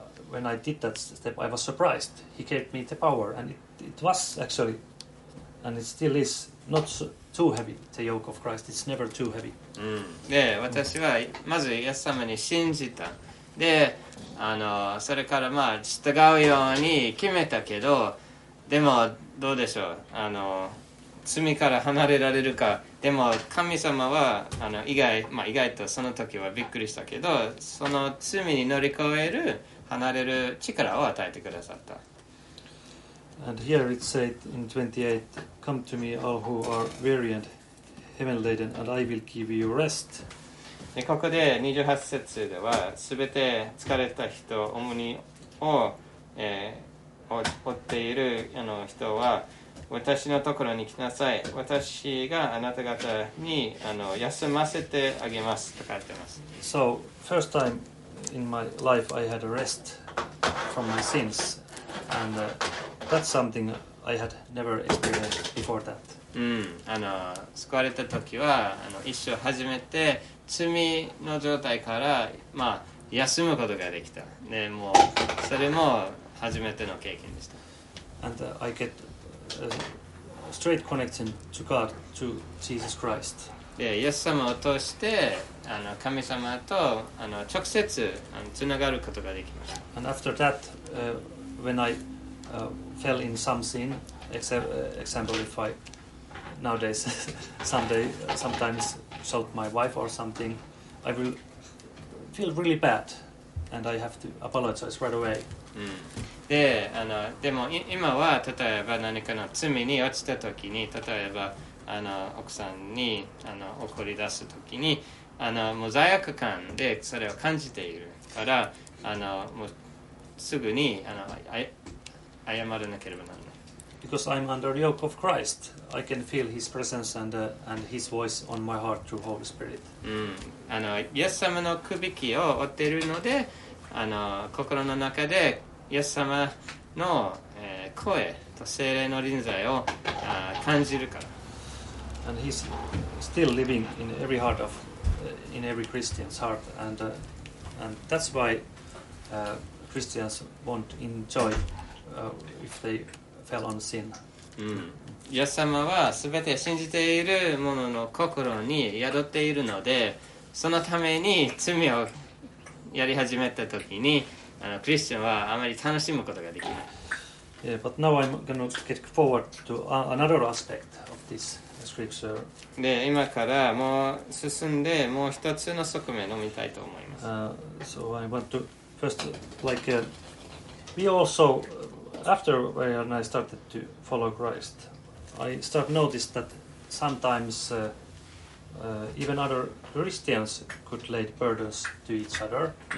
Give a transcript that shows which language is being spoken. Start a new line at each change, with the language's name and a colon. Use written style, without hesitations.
English: When I did that step, I was surprised. He gave me the power, and it was actually, and it still is, not too heavy, the yoke of Christ. It's never too heavy.
Japanese: で、私はまずイエス様に信じた。で、あの、それからまあ従うように決めたけど、でもどうでしょう。あの、罪から離れられるか。でも神様はあの意外とその時はびっくりしたけど、その罪に乗り越える離れる力を与えてくださった。
English: And here it said in 28, "Come to me, all who are weary and heavy laden, and I will give you rest."
Japanese: でここで28節では、すべて疲れた人、重荷を、負っているあの人は私のところに来なさい。私があなた方にあの休ませてあげますと書いてます。
English: So, first time in my life I had a rest from my sins. And that's something I had never experienced before that.
Japanese: あの、救われた時はあの一生初めて罪の状態から、まあ、休むことができた。で、もうそれも初めての経験でした。
English: And I get a straight connection to God, to Jesus Christ.
Japanese: で、イエス様を通して、あの、神様と、あの、直接、あの、つながることができました。
English: And after that, when I fell in some sin, example if I nowadays, sometimes shout my wife or something, I will feel really bad, and I have to apologize right away.
Japanese: で、 あの、でも今は例えば何かの罪に落ちた時に、例えばあの奥さんにあの怒り出す時に、あのもう罪悪感でそれを感じているから、あのもうすぐにあの謝らなければならない。
English: Because I'm under the yoke of Christ, I can feel his presence and his voice on my heart through Holy Spirit.
Japanese: あのイエス様の首輝きを負っているので、あの心の中でイエス様の、声と聖霊の臨在を感じるから。
English: And he's still living in every heart of, in every Christian's heart, and and that's why Christians won't enjoy if they fell on sin.
Japanese: イエス様はすべて信じている者の心に宿っているので、そのために罪をやり始めた時に、あのクリスチャンはあまり楽しむことができない。
English: Yeah, but now I'm going to get forward to another aspect of this scripture.
Japanese: で、今からもう進んでもう一つの側面を見たいと思います。
English: So I want to first, like, we also, after when I started to follow Christ, I start notice that sometimes even other Christians could lay burdens to each other.